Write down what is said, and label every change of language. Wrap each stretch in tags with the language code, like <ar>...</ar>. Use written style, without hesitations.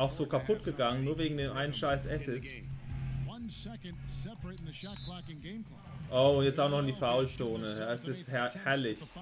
<de>Auch so kaputt gegangen, nur wegen dem einen scheiß Assist.</de> <en>1 second separating the shot clock and game clock.</en> <de>Oh, und jetzt auch noch in die Foulzone. Es ist herrlich.</de>